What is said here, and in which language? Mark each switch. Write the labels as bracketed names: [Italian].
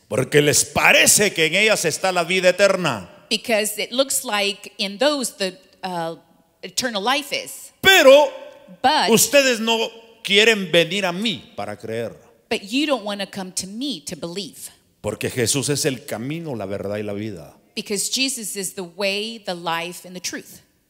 [Spanish] porque les parece que en ellas está la vida eterna, [English] because it looks like in those the eternal life is. [Spanish] Pero [English] but, [Spanish] ustedes no quieren venir a mí para creer. [English] But you don't want to come to me to believe. [Spanish] Porque Jesús es el camino, la verdad y la vida. [English] Because Jesus is the way, the life, and the truth.